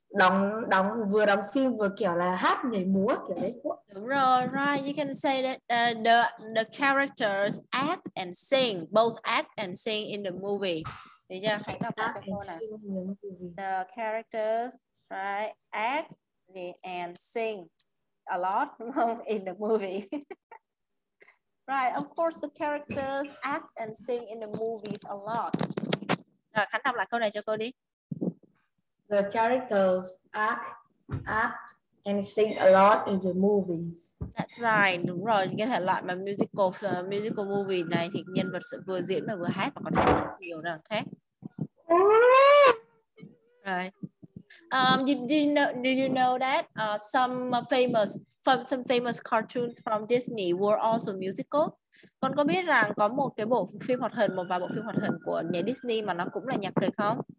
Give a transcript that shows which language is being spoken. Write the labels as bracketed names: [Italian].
[Vietnamese] Đóng vừa đóng phim vừa kiểu là hát nhảy múa kiểu đấy. Đúng rồi, right. [English] You can say that the characters act and sing, both act and sing in the movie. [Vietnamese] Thì giờ phải đọc lại cho cô nè. [English] The characters, right, act and sing a lot in the movie. Right, of course the characters act and sing in the movies a lot. [Vietnamese] Rồi, Khánh đọc lại câu này cho cô đi. [English] The characters act and sing a lot in the movies. That's right, [Vietnamese] đúng rồi. Những cái thể loại mà musical movie này thì nhân vật vừa diễn mà vừa hát và còn hát nhiều nữa, thế. [English] Right. Do you know that some famous cartoons from Disney were also musical? [Vietnamese] Con có biết rằng có một cái bộ phim hoạt hình, một vài bộ phim hoạt hình của nhà Disney mà nó cũng là nhạc kịch không?